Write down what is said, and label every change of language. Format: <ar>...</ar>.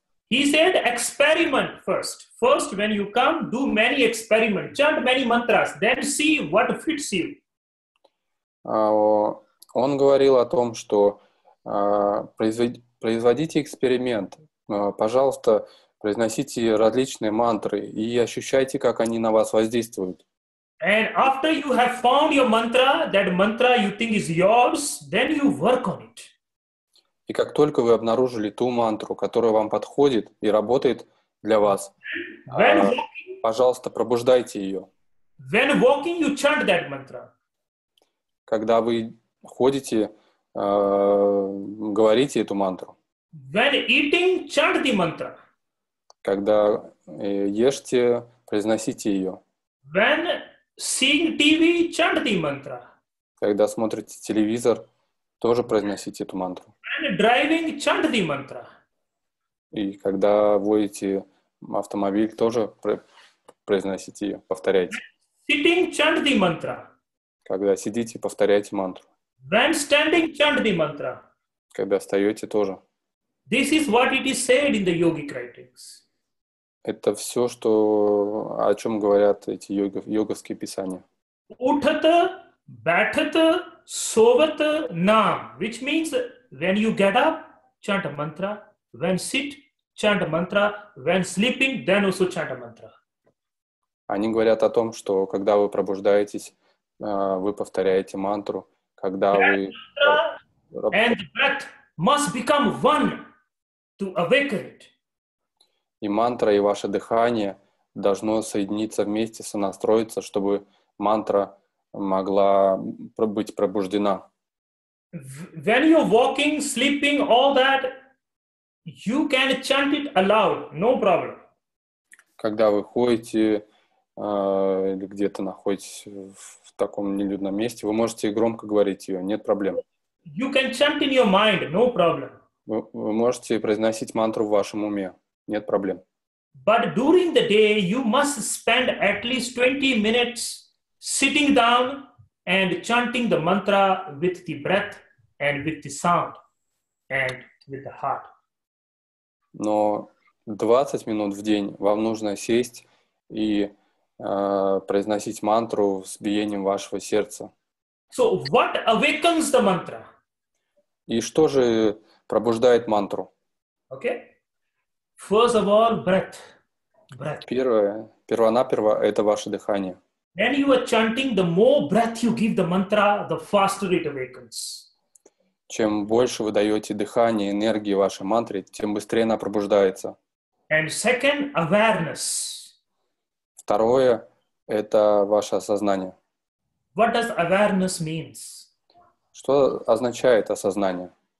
<en>He said, experiment first. First, when you come, do many experiments. Chant many mantras. Then see what fits you.</en> <ru>Он говорил о том, что производите эксперимент. Пожалуйста, произносите различные мантры и ощущайте, как они на вас воздействуют.</ru> <en>And after you have found your mantra, that mantra you think is yours, then you work on it.</en> <ru>И как только вы обнаружили ту мантру, которая вам подходит и работает для вас, пожалуйста, пробуждайте ее.</ru> <en>When walking, you chant that mantra.</en> <ru>Когда вы ходите, говорите эту мантру.</ru> <en>When eating, chant the mantra.</en> <ru>Когда ешьте, произносите ее.</ru> <en>When seeing TV, chant the mantra.</en> <ru>Когда смотрите телевизор, тоже произносите эту мантру.</ru> <en>Driving, chant the mantra.</en> <ru>И когда водите автомобиль, тоже произносите ее, повторяйте.</ru> <en>Sitting, chant the mantra.</en> <ru>Когда сидите, повторяйте мантру.</ru> <en>When standing, chant the mantra.</en> <ru>Когда встаете, тоже.</ru> <en>This is what it is said in the yogic writings.</en> <ru>Это все, что, о чем говорят эти йоговские писания.</ru> <pa>Uthata, bathata, sovata, naam.</pa> <en>Which means, when you get up, chant a mantra. When sit, chant a mantra. When sleeping, then also chant a mantra.</en> <ru>Они говорят о том, что когда вы пробуждаетесь, вы повторяете мантру. Когда вы...</ru> <en>And the breath must become one to awaken it.</en> <ru>И мантра, и ваше дыхание должно соединиться вместе, сонастроиться, чтобы мантра могла быть пробуждена.</ru> <en>When you're walking, sleeping, all that, you can chant it aloud, no problem.</en> <ru>Когда вы ходите или где-то находитесь в таком нелюдном месте, вы можете громко говорить ее, нет проблем.</ru> <en>You can chant in your mind, no problem.</en> <ru>Вы можете произносить мантру в вашем уме. Нет проблем.</ru> <en>But during the day you must spend at least 20 minutes sitting down and chanting the mantra with the breath and with the sound and with the heart.</en> <ru>Но 20 минут в день вам нужно сесть и произносить мантру с биением вашего сердца.</ru> <en>So what awakens the mantra?</en> <ru>И что же пробуждает мантру?</ru> <en>Okay. First of all, breath.</en> <ru>Первое, первонаперво, это ваше дыхание.</ru> <en>When you are chanting, the more breath you give the mantra, the faster it awakens.</en> <ru>Чем больше вы даете дыхание, энергии вашей мантре, тем быстрее она пробуждается.</ru> <en>And second, awareness.</en> <ru>Второе, это ваше осознание.</ru> <en>What does awareness means?</en> <ru>Что означает осознание?</ru>